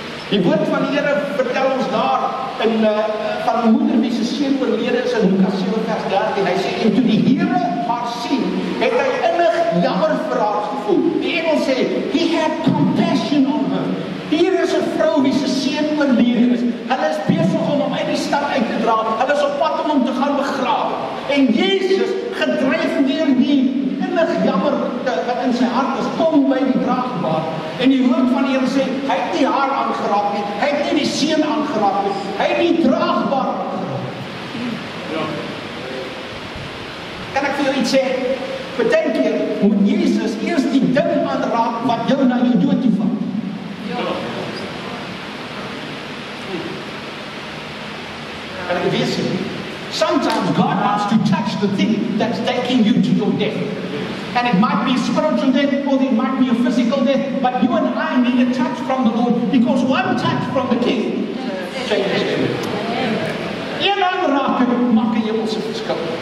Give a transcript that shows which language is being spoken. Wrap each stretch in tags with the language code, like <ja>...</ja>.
<af>Die woord van die Here vertel ons daar in van moeder wie se seun oorlede is in Lukas 7 vers 13. Hy sê en toe die Here haar sien, het hy innig jammer vir haar gevoel. Die Engel sê,</af> <en>he had compassion on her.</en> <af>Hier is 'n vrou wie se seun oorlede is. Hulle is besig om hom uit die stad uit te dra. Hulle is op pad om hom te gaan begrawe. En Jesus, gedryf deur die innig jammer wat in sy hart is, kom by die draagbaar. En die woord van die Here sê, hy het nie haar aangeraak nie, hy het nie die seun aangeraak nie, hy het die draagbaar aangeraak. Ja. Kan ek vir jou iets sê? Bedenk jy, moet Jesus eers die ding aanraak wat jou na jou dood toe vat. Ja. Kan ek weer sê?</af> <en>Sometimes God wants to touch the thing that's taking you to your death. And it might be a spiritual death or it might be a physical death, but you and I need a touch from the Lord because one touch from the King changes.</en> <af>Een aanraking maak 'n hemelse verskil.</af>